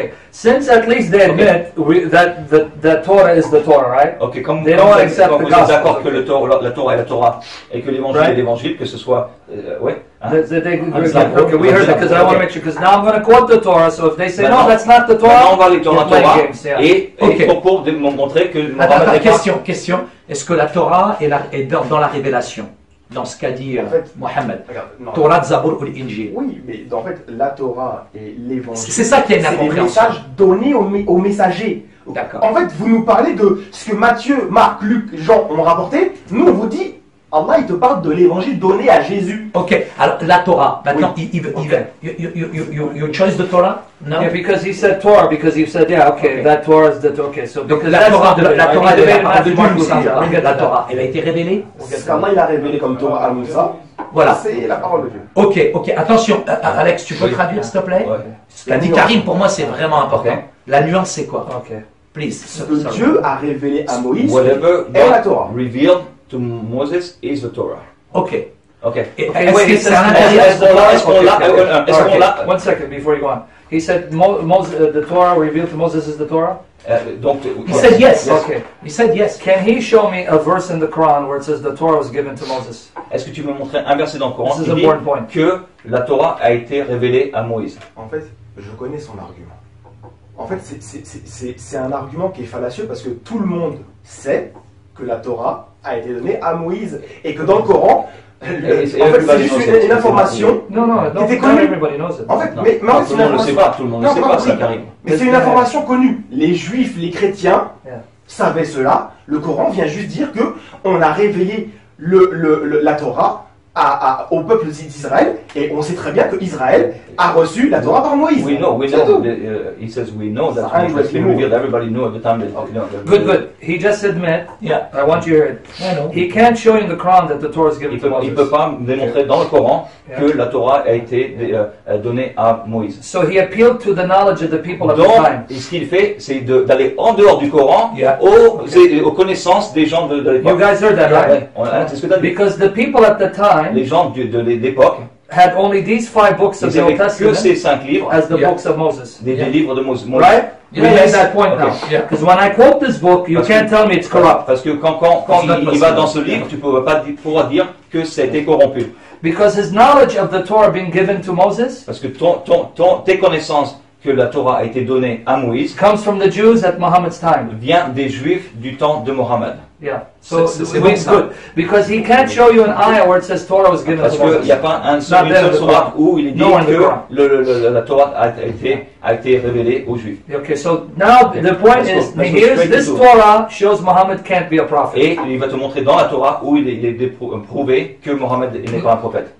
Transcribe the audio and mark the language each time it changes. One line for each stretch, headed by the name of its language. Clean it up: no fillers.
English: Since at least they admit that the Torah is the Torah, right?
French: Okay, comme
English: they don't accept the gospel.
French: D'accord que la Torah est la Torah et que l'Évangile est l'Évangile, que ce soit, ouais.
English: Okay, we heard it because I want to make sure. Because now I'm going to quote the Torah. So if they say no, that's not the Torah.
French: On va lire la Torah. Et pour démontrer que. Question. Est-ce que la Torah est dans la révélation? Dans ce qu'a dit Mohamed. Torah, Zabur ou l'Injil. Oui, mais en fait, la Torah et l'Évangile. C'est ça qui est important. C'est le message donné au messager. D'accord. En fait, vous nous parlez de ce que Matthieu, Marc, Luc, Jean ont rapporté. Nous, on vous dit. Allah, il te parle de l'évangile donné à Jésus. Ok, alors la Torah, maintenant, Yves,
English: your choice the Torah? No? Yeah, because he said Torah, because you said, yeah, okay, that Torah is the Torah. Okay, so
French: donc la Torah, la Torah de la de Dieu, la Torah, elle a été révélée? Comment il a révélé comme Torah à Moussa? Voilà. C'est la parole de Dieu. Ok, attention, Alex, tu peux traduire, s'il te plaît? Tu as dit Karim, pour moi, c'est vraiment important. La nuance, c'est quoi? Ok.
English: Please.
French: Ce que Dieu a révélé à Moïse est la Torah.
English: Revealed. To Moses is the Torah. Okay. Okay. One second before you go on. He said the Torah revealed to Moses is the Torah? He said yes. Can he show me a verse in the Quran where it says the Torah was given to Moses?
French: Est-ce que tu me montrer un verset dans le Coran?
English: This is an important point.
French: Que la Torah a été révélée à Moïse. En fait, je connais son argument. En fait, c'est un argument qui est fallacieux parce que tout le monde sait que la Torah a été donné à Moïse et que dans le Coran, c'est juste une information qui était connue.
English: Everybody knows it.
French: En fait, mais tout le monde ne le sait pas. Tout le monde ne sait pas ça, Karim. Mais c'est une information connue. Les Juifs, les chrétiens savaient cela. Le Coran vient juste dire que on a révélé la Torah au peuple d'Israël et on sait très bien que Israël a reçu la Torah par Moïse.
English: We know, he says we know that it has been revealed. Everybody knew at the time. Good. He just admit. Yeah. I want you to hear it. I know. He can't show in the Quran that the Torah is given to Moses.
French: Il peut pas démontrer dans le Coran que la Torah a été donnée à Moïse.
English: So he appealed to the knowledge of the people
French: donc,
English: at the time.
French: Donc, ce qu'il fait, c'est d'aller en dehors du Coran aux connaissances des gens de l'époque.
English: You guys heard that, right?
French: C'est ce que tu as dit.
English: Because the people at the time.
French: Les gens de l'époque.
English: Had only these five books of the Old Testament
French: que ces cinq livres,
English: as the books of Moses.
French: Des livres de Moses.
English: Right? We made that point now. Because when I quote this book, you can't tell me it's corrupt.
French: Parce que quand il va dans ce livre, tu ne peux pas pouvoir dire que c'était corrompu.
English: Because his knowledge of the Torah being given to Moses.
French: Parce que tes connaissances que la Torah a été donnée à Moïse.
English: Comes from the Jews at Muhammad's time.
French: Vient des Juifs du temps de Mohammed.
English: Yeah. So it's good because he can't show you an ayah where it says Torah was given.
French: Parce qu'il n'y a pas un seul surat où il dit la Torah a été révélée aux Juifs.
English: Okay. So now the point is, here's this Torah shows Muhammad can't be a prophet.
French: Et il va te montrer dans la Torah où il est prouvé que Muhammad n'est pas un prophète.